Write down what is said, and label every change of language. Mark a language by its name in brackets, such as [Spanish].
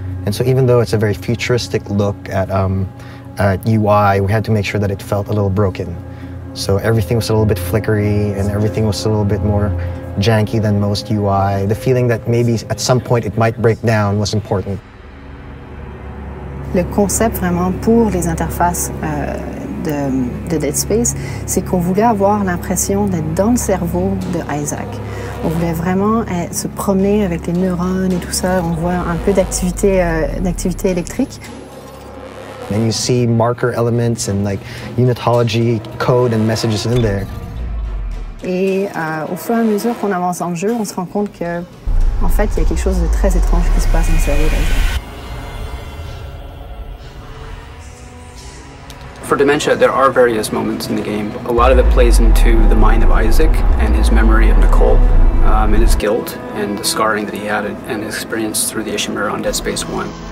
[English] And so even though it's a very futuristic look at UI, we had to make sure that it felt a little broken. So everything was a little bit flickery and everything was a little bit more janky than most UI. The feeling that maybe at some point it might break down was important. [French] Le concept vraiment pour les interfaces de Dead Space, c'est qu'on voulait avoir l'impression d'être dans le cerveau de Isaac. On voulait vraiment se promener avec les neurones et tout ça. On voit un peu d'activité électrique. [English] And you see marker elements and like unitology code and messages in there. [French] Et au fur et à mesure qu'on avance dans le jeu, on se rend compte que, en fait, il y a quelque chose de très étrange qui se passe dans le cerveau d'Isaac. [English] For Dementia, there are various moments in the game. A lot of it plays into the mind of Isaac and his memory of Nicole and his guilt and the scarring that he had and his experience through the Ishimura on Dead Space 1.